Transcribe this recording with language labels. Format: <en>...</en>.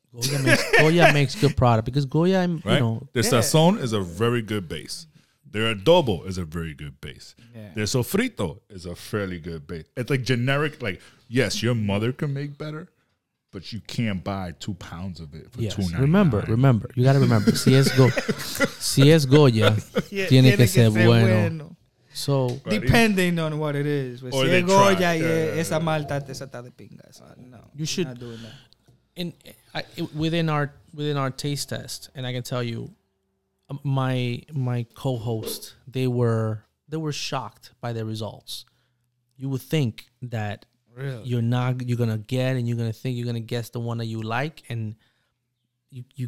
<en>Goya makes, Goya makes good product because Goya, right? you know. Their yeah. sazon is a very good base. Their adobo is a very good base. Yeah. Their sofrito is a fairly good base. It's like generic, like, yes, your mother can make better, but you can't buy 2 pounds of it for $2.99. Yes, remember, remember. You got to remember.</en> <es>Si es, go, si es Goya, yeah, tiene que ser bueno.</es> <en>So right. depending on what it is,</en> <es>or si es Goya, esa malta, esa está de pingas.</es> <en>No, you should not doing that. Within our taste test, and I can tell you, my co-host, they were shocked by the results. You would think that really? you're gonna guess the one that you like, and you</en>